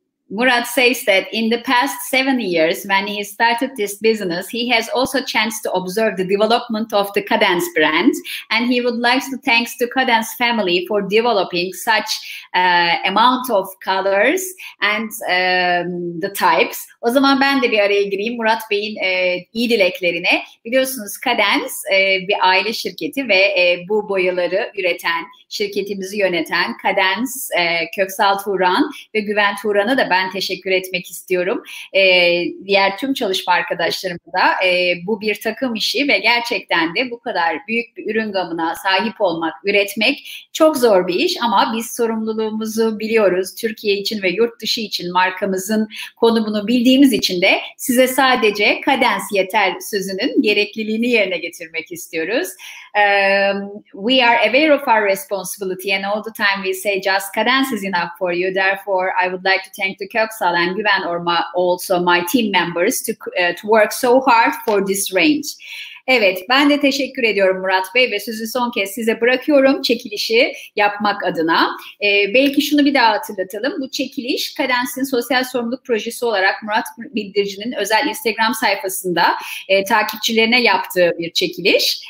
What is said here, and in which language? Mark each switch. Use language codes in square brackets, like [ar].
[en] Murat says that in the past 7 years, when he started this business, he has also chance to observe the development of the Kadens brand, and he would like to thanks to Kadens family for developing such amount of colors and the types. [tr] O zaman ben de bir araya gireyim Murat Bey'in iyi dileklerine. Biliyorsunuz Kadens bir aile şirketi ve bu boyaları üreten, şirketimizi yöneten Kadens Köksal Turan ve Güven Turan'a da ben teşekkür etmek istiyorum. Diğer tüm çalışma arkadaşlarıma da bu bir takım işi ve gerçekten de bu kadar büyük bir ürün gamına sahip olmak, üretmek çok zor bir iş ama biz sorumluluğumuzu biliyoruz. Türkiye için ve yurt dışı için markamızın konumunu bildiğimiz için de size sadece Kadens yeter sözünün gerekliliğini yerine getirmek istiyoruz. [en] We are aware of our responsibility and all the time we say just Kadens is enough for you. Therefore, I would like to thank to Köksal and Güven or also my team members to work so hard for this range. [tr] Evet, ben de teşekkür ediyorum Murat Bey ve sözü son kez size bırakıyorum çekilişi yapmak adına. Belki şunu bir daha hatırlatalım. Bu çekiliş Kadens'in sosyal sorumluluk projesi olarak Murat Bildirici'nin özel Instagram sayfasında takipçilerine yaptığı bir çekiliş.